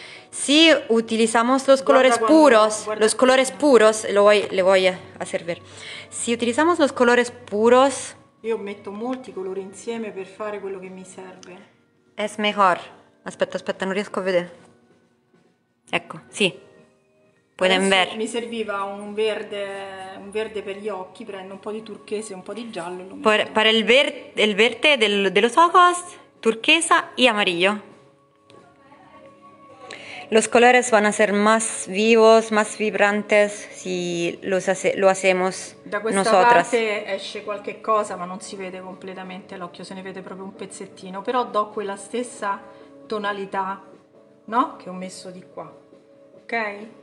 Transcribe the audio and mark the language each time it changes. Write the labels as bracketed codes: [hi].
[es] Si utilizamos los colores puros, le voy a hacer ver. Si utilizamos los colores puros, yo meto [it] molti colori insieme per fare quello che mi serve. [es] Es mejor. [it] Aspetta, non riesco a vedere. Ecco, sì. [es] Pueden ver. [it] Mi serviva un verde per gli occhi, prendo un po' di turchese e un po' di giallo. Per il verde [es] de los ojos, turquesa y amarillo. Los colores van a ser más vivos, más vibrantes si lo hacemos nosotras. [it] Da questa parte esce qualche cosa, ma non si vede completamente l'occhio, se ne vede proprio un pezzettino. Però do quella stessa tonalità, no? Che ho messo di qua, ok?